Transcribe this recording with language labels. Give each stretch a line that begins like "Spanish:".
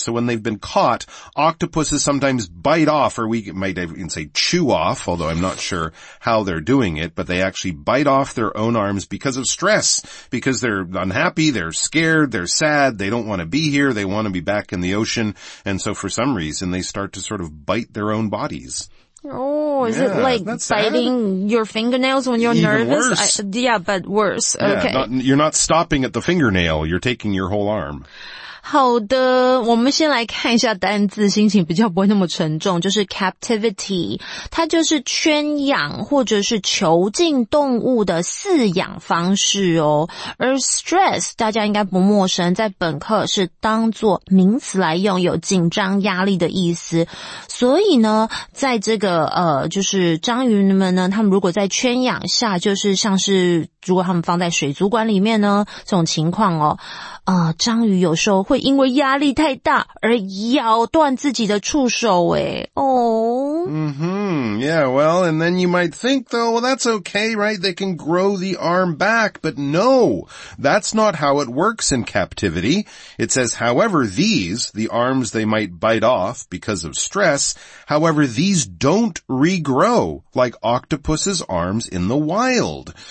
English: So when they've been caught, octopuses sometimes bite off, or we might even say chew off, although I'm not sure how they're doing it, but they actually bite off their own arms because of stress, because they're unhappy, they're scared, they're sad, they don't want to be here, they want to be back in the ocean, and so for some reason they start to sort of bite their own bodies. Is it like biting your fingernails when you're nervous? Worse. Yeah, okay. You're not stopping at the fingernail, you're taking your whole arm.
Chinese: 好的，我们先来看一下单字，心情比较不会那么沉重，就是 captivity, 它就是圈养或者是囚禁动物的饲养方式哦。而 stress, 大家应该不陌生，在本课是当作名词来用，有紧张压力的意思。所以呢，在这个就是章鱼们呢，他们如果在圈养下，就是像是如果他们放在水族馆里面呢，这种情况哦，章鱼有时候会因为压力太大而咬断自己的触手耶。
English: Yeah, well, and then you might think, though, well, that's okay, right? They can grow the arm back. But no, that's not how it works in captivity. It says, however, these, the arms they might bite off because of stress, however, these don't regrow like octopuses' arms in the wild.